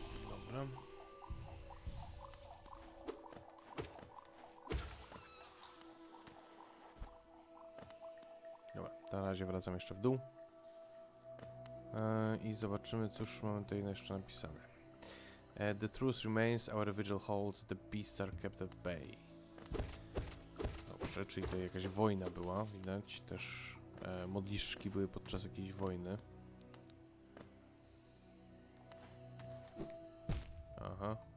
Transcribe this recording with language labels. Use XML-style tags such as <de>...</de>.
<pl>Dobra. Dobra, na razie wracam jeszcze w dół. I zobaczymy, cóż mamy tutaj jeszcze napisane.</pl> <en>The truth remains, our vigil holds, the beasts are kept at bay.</en> <pl>Dobrze, czyli to jakaś wojna była, widać też. Modliszki były podczas jakiejś wojny. Aha.</pl>